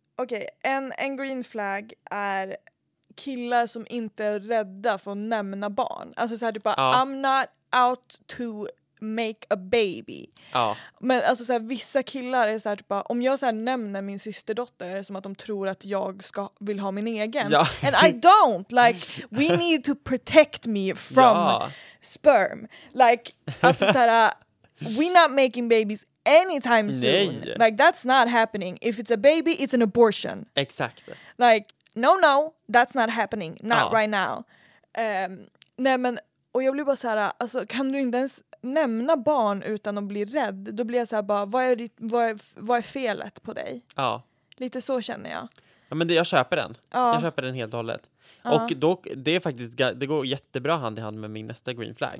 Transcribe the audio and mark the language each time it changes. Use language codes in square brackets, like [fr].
[sv] Okej, en green flag är killar som inte är rädda för att nämna barn. Alltså så här typ bara, ja. [en] I'm not out to make a baby. [sv] Ja. Men alltså så här, vissa killar är så här typ bara, om jag så här nämner min systerdotter är det som att de tror att jag ska vill ha min egen. Ja. [en] And I don't like we need to protect me from sperm. Like [sv] alltså så här, [en] we not making babies anytime soon. [sv] Nej. [en] Like that's not happening. If it's a baby it's an abortion. [sv] Exakt. [en] Like no that's not happening. Not right now. [sv] Nej men och jag blir bara så här alltså kan du inte ens nämna barn utan att bli rädd, då blir jag så här bara, vad är felet på dig? Ja. Lite så känner jag. Ja, men det, jag köper den. Ja. Jag köper den helt och hållet. Ja. Och då, det är faktiskt, det går jättebra hand i hand med min nästa green flag.